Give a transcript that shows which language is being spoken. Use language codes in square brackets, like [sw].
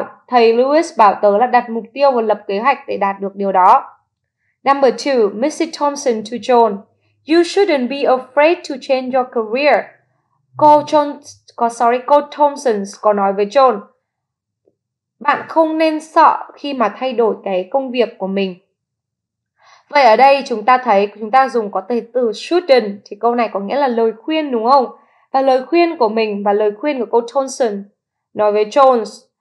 [vi] Thầy Lewis bảo tớ là đặt mục tiêu và lập kế hoạch để đạt được điều đó. [en] Number 2, Mrs. Thompson to John. You shouldn't be afraid to change your career. [vi] Cô Thompson có nói với John. Bạn không nên sợ khi mà thay đổi cái công việc của mình. Vậy ở đây chúng ta thấy chúng ta dùng có từ shouldn't, thì câu này có nghĩa là lời khuyên đúng không? Và lời khuyên của mình và lời khuyên của cô Thompson nói với Jones.